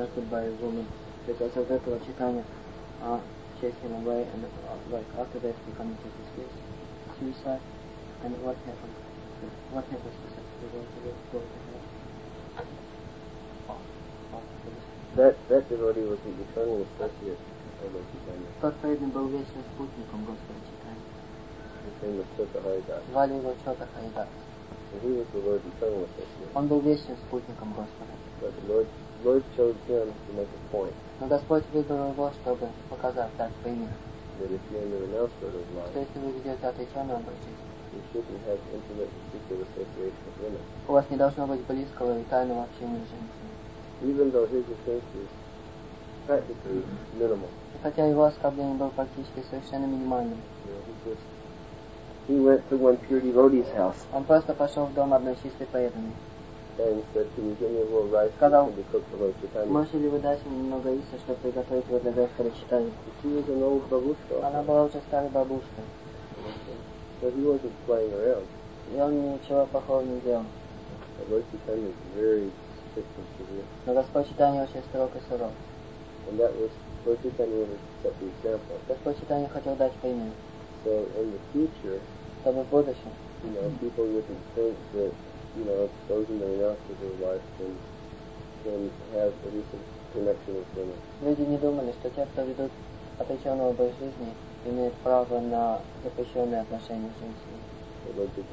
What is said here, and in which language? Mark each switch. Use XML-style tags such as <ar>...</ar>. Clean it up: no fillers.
<en>By a woman, because of that, Chaitanya chased him away, and like after that, he came to this place, suicide, and what happened? What happened specifically to the devotee? That devotee was the eternal associate of Lord Chaitanya.</en> <ru>Тот преданный был вечным спутником Господа Чайтанья.</ru> <en>His name was Chota Haridas.</en> <ru>Звали его Чота Харидас.</ru> <en>And he was the Lord's eternal associate.</en> <ru>Он был вечным спутником Господа.</ru> <en>But the Lord chose him to make a point.</en> <ru>Но Господь выбрал его, чтобы показать, дать пример.</ru> <en>That if you're in the renounced order of life,</en> <ru>что если вы ведете отреченный образ жизни,</ru> <en>you shouldn't have intimate and secret association with women.</en> <ru>У вас не должно быть близкого и тайного общения с женщиной.</ru> <en>Even though his offense is practically minimal.</en> <ru>И хотя его оскорбление было практически совершенно минимальным.</ru> <en>He went to one pure devotee's house.</en> <ru>Он просто пошел в дом одной чистой преданной.</ru> <en>And said, can you give me a little rice to be cooked for Lord Chaitanya?</en> <ru>Можете ли вы дать мне немного риса, чтобы приготовить его для Господа Чайтаньи?</ru> <en>She was an old бабушка.</en> <ru>Она была уже старой бабушкой.</ru> <en>So he wasn't playing around.</en> <ru>И он ничего плохого не делал.</ru> <en>Lord Chaitanya is very strict and severe.</en> <ru>Но Господь Чайтанья очень строг и суров.</ru> <en>And that was, Lord Chaitanya wanted to set the example.</en> <ru>Господь Чайтанья хотел дать пример.</ru> <en>So in the future,</en> <ru>чтобы в будущем,</ru> <en>you know, people wouldn't think that, you know, exposing the renouncers of life can have a recent connection with women.</en> <ru>Люди не думали, что те, кто ведут отреченный образ жизни, имеют право на запрещенные отношения с женщиной.</ru>